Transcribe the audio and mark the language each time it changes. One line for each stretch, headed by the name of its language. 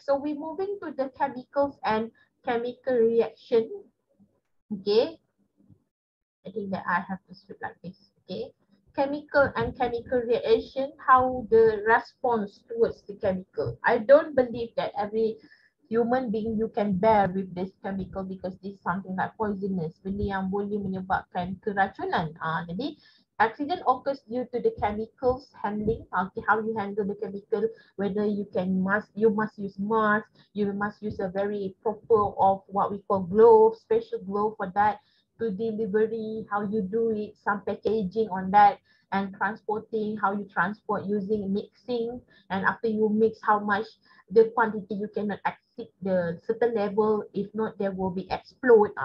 English: So we're moving to the chemicals and chemical reaction. Okay. I think that I have to strip like this. Okay. Chemical and chemical reaction, how the response towards the chemical. I don't believe that every human being you can bear with this chemical because this is something like poisonous.
Malay: Benda yang boleh menyebabkan keracunan.
English: Jadi, accident occurs due to the chemicals handling. Okay, how you handle the chemical, whether you can you must use mask, you must use a very proper of what we call glove, special glove for that. To delivery, how you do it, some packaging on that, and transporting, how you transport using mixing, and after you mix, how much the quantity you cannot exceed the certain level, if not, there will be explode.